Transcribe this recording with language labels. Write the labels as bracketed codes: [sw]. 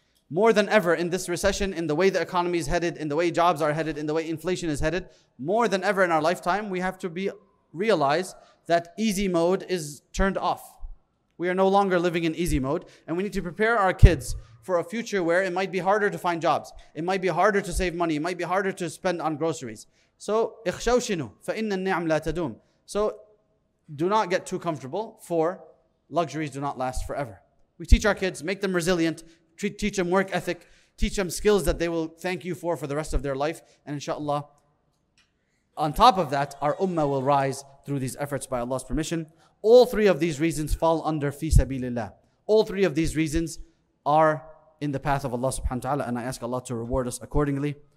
[en] more than ever in this recession, in the way the economy is headed, in the way jobs are headed, in the way inflation is headed, more than ever in our lifetime, we have to realize that easy mode is turned off. We are no longer living in easy mode, and we need to prepare our kids for a future where it might be harder to find jobs. It might be harder to save money. It might be harder to spend on groceries. So, [ar] اخشوا شنو فإن النعم لا تدوم. [en] So, do not get too comfortable, for luxuries do not last forever. We teach our kids, make them resilient, teach them work ethic, teach them skills that they will thank you for the rest of their life. And inshallah, on top of that, our ummah will rise through these efforts by Allah's permission. All three of these reasons fall under fi sabilillah. All three of these reasons are in the path of Allah subhanahu wa ta'ala, and I ask Allah to reward us accordingly.